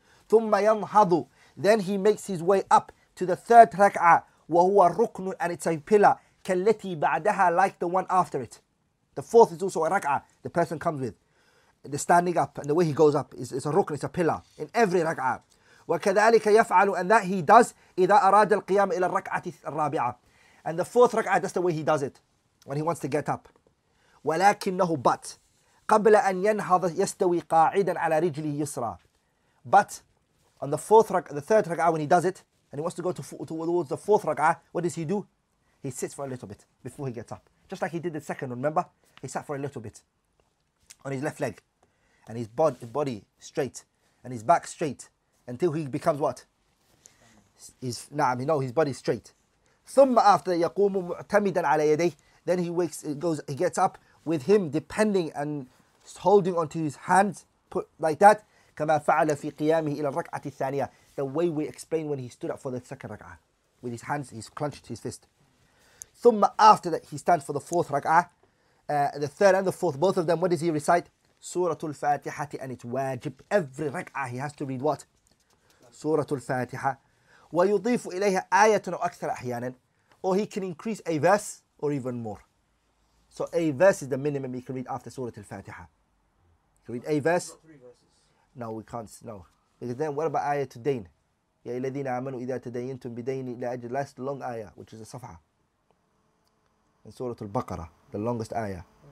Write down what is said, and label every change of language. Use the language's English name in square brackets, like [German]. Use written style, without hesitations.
[Arabic] ثُمَّ يَنْهَضُ. [English] Then he makes his way up to the third rak'ah. [Arabic] وَهُوَ الرُّكْنُ. [English] And it's a pillar. [Arabic] كَالَّتِي بَعْدَهَا. [English] Like the one after it. The fourth is also a rak'ah. The person comes with the standing up, and the way he goes up is a rukn, it's a pillar in every rak'ah. [Arabic] وَكَذَلِكَ يَفْعَلُ. [English] And that he does [Arabic] إِذَا أَرَادَ الْقِيَامِ إِلَى الرَّكْعَةِ الرَّابِعَةِ. [English] And the fourth rak'ah, that's the way he does it when he wants to get up. [Arabic] وَلَكِنَّهُ بَتْ قَبْلَ أَنْ يَنْهَضَ يَسْتَوِي قَاعِدًا عَلَى رِجْلِهِ يُسْرًا. [English] But on the fourth rak'ah, the third rak'ah, when he does it and he wants to go towards the fourth rak'ah, what does he do? He sits for a little bit before he gets up. Just like he did the second one, remember? He sat for a little bit on his left leg, and his body straight, and his back straight, until he becomes what? His body straight. [Arabic] ثُمَّ after يَقُومُ مُعْتَمِدًا عَلَى يَدَيْهِ. [English] Then he gets up with him depending and holding onto his hands, put like that. [Arabic] كَمَا فَعَلَ فِي قِيَامِهِ إِلَى الرَّكْعَةِ الثَّانِيَةِ. [English] The way we explain when he stood up for the second rak'ah, with his hands, he's clenched his fist. ثم after that, he stands for the fourth rak'ah, the third and the fourth, both of them, what does he recite? Surah Al-Fatiha, and it's wajib. Every rak'ah, he has to read what? Surah Al-Fatiha. [Arabic] وَيُضِيفُ إِلَيْهَا آيَةٌ أَكْثَرَ أَحْيَانًا. [English] Or he can increase a verse or even more. So a verse is the minimum he can read after Surah Al-Fatiha. You read a verse? No, we can't, no. Because then what about ayah to Dain? [Arabic] Ya iladina amanu idha tadayyantum bidayni ila ajl. [English] Last long ayah, which is a safha. In Surah Al-Baqarah, the longest ayah. Yeah.